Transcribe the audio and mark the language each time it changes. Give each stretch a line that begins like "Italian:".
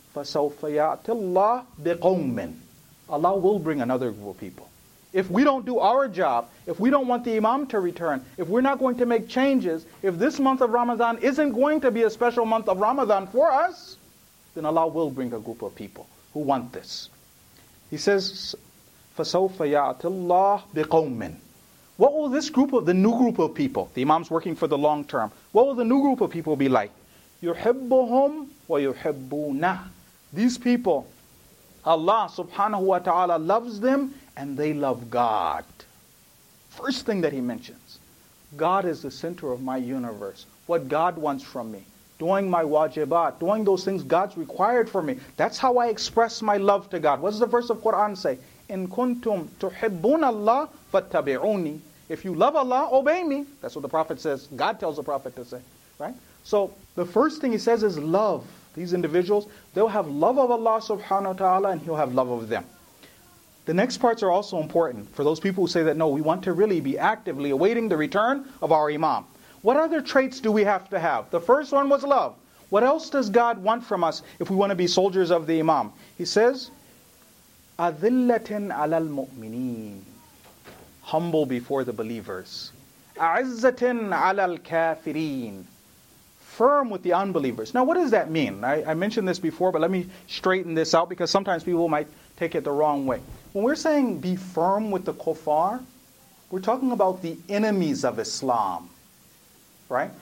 Arabic: فَسَوْفَ يَعْتِ اللَّهُ بِقَوْمٍ.
English: Allah will bring another group of people. If we don't do our job, if we don't want the imam to return, if we're not going to make changes, if this month of Ramadan isn't going to be a special month of Ramadan for us, then Allah will bring a group of people who want this. He says,
Arabic: فَسَوْفَ يَعْتِ اللَّهُ بِقَوْمٍ.
English: What will this group of, the new group of people, the imam's working for the long term, what will the new group of people be like?
Arabic: يُحِبُّهُمْ وَيُحِبُّونَهُ.
English: These people, Allah subhanahu wa ta'ala loves them and they love God. First thing that he mentions, God is the center of my universe. What God wants from me. Doing my wajibat, doing those things God's required for me. That's how I express my love to God. What does the verse of Quran say?
Arabic: In kuntum tuhibbuna Allah fattabi'uni.
English: If you love Allah, obey me. That's what the Prophet says. God tells the Prophet to say. Right? So the first thing he says is love. These individuals, they'll have love of Allah subhanahu wa ta'ala and he'll have love of them. The next parts are also important for those people who say that no, we want to really be actively awaiting the return of our imam. What other traits do we have to have? The first one was love. What else does God want from us if we want to be soldiers of the imam? He says,
Arabic: أَذِلَّةٍ عَلَى الْمُؤْمِنِينَ.
English: Humble before the believers.
Arabic: أَعِزَّةٍ عَلَى الْكَافِرِينَ.
English: Firm with the unbelievers. Now what does that mean? I mentioned this before, but let me straighten this out because sometimes people might take it the wrong way. When we're saying be firm with the kuffar, we're talking about the enemies of Islam. Right?